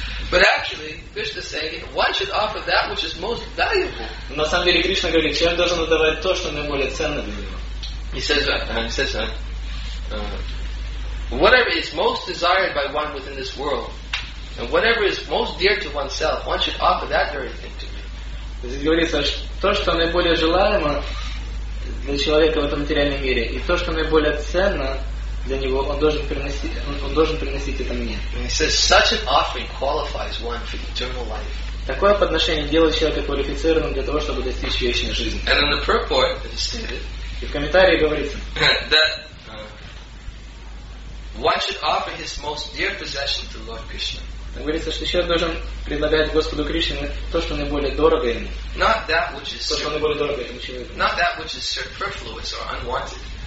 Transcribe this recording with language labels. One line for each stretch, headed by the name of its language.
English: But actually, Krishna is saying, one should offer that which is most valuable.
Russian: На самом деле Кришна говорит, человек должен отдавать то, что наиболее ценно для него.
English: He says that. He says that. Whatever is most desired by one within this world, and whatever is most dear to oneself, one should offer that very thing to me.
Russian: Здесь говорится, что то, что наиболее желаемо для человека в этом материальном мире, и то, что наиболее ценно для него, он должен приносить это мне.
English: He says, such an offering qualifies one for eternal life.
Russian: Такое подношение делает человека квалифицированным для того, чтобы достичь вечной жизни.
English: And in the purport it is stated,
Russian: и в комментарии говорится,
English: that one should offer his most dear possession to Lord Krishna.
Russian: Там говорится, что человек должен предлагать Господу Кришне то, что наиболее дорого ему.
English: Not that which is
Russian: то, что наиболее дорого этому человеку.
English: Not that which is superfluous or unwanted.